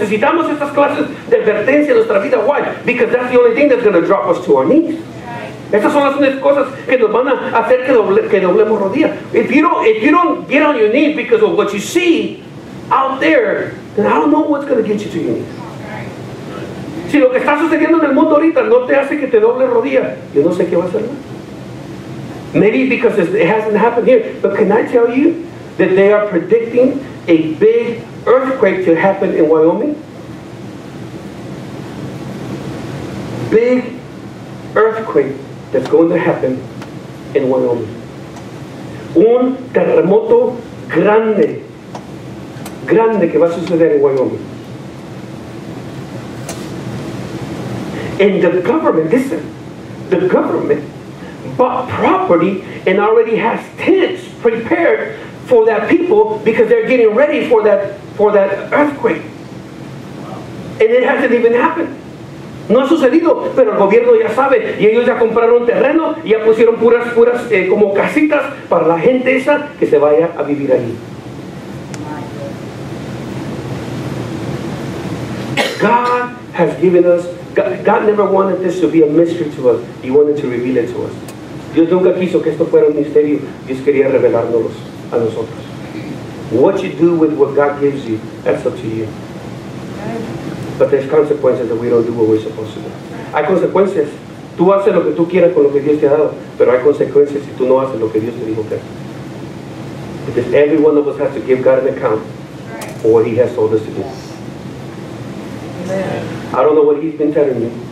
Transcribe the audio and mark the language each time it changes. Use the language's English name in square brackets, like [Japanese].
[Spanish] Necesitamos estas clases de advertencia en nuestra vida. [English] Why? Because that's the only thing that's going to drop us to our knees. [Spanish] Estas son las únicas cosas que nos van a hacer que doblemos rodillas. [English] If you don't get on your knees because of what you see out there, then I don't know what's going to get you to your knees. [Spanish] Si lo que está sucediendo en el mundo ahorita no te hace que te doble rodillas, yo no sé qué va a hacer. [English] Maybe because it hasn't happened here, but can I tell you that they are predicting a big earthquake to happen in Wyoming? Big earthquake. That's going to happen in Wyoming. [Spanish] Un terremoto grande, grande que va a suceder en Wyoming. [English] And the government, listen, the government bought property and already has tents prepared for that people because they're getting ready for that earthquake. And it hasn't even happened. [Spanish] No ha sucedido, pero el gobierno ya sabe, y ellos ya compraron terreno, y ya pusieron puras como casitas para la gente esa que se vaya a vivir allí. [English] God has given us, God never wanted this to be a mystery to us, He wanted to reveal it to us. [Spanish] Dios nunca quiso que esto fuera un misterio, Dios quería revelárnoslos a nosotros. [English] What you do with what God gives you, that's up to you. But there's consequences that we don't do what we're supposed to do. [Spanish] Hay consecuencias. Tú haces lo que tú quieras con lo que Dios te ha dado. Pero hay consecuencias si tú no haces lo que Dios te dijo que haces. [English] Because every one of us has to give God an account for what He has told us to do. Amen. I don't know what He's been telling you.